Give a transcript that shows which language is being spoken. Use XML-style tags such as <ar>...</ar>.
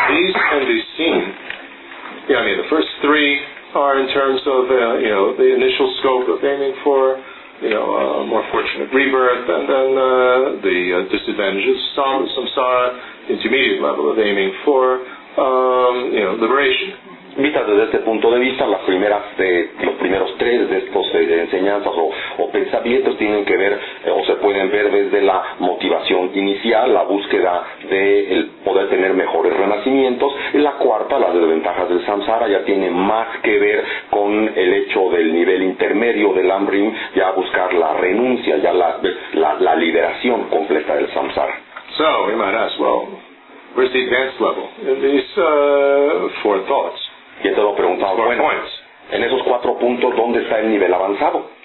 <en>Yeah, I mean, the first three are in terms of, you know, the initial scope of aiming for, you know, a more fortunate rebirth, and then the disadvantages of samsara, intermediate level of aiming for, you know, liberation.</en> <es>Vista desde este punto de vista, las primeras, los primeros tres de estos de enseñanzas o pensamientos tienen que ver o se pueden ver desde la motivación inicial, la búsqueda de el poder tener mejores renacimientos. La cuarta, las desventajas del samsara, ya tiene más que ver con el hecho del nivel intermedio del amrim, ya buscar la renuncia, ya la liberación completa del samsara.</es> <en>So, we might ask, well, where's the advanced level in these four thoughts?</en> <es>Y entonces lo preguntaba, bueno, en esos cuatro puntos, ¿dónde está el nivel avanzado?</es>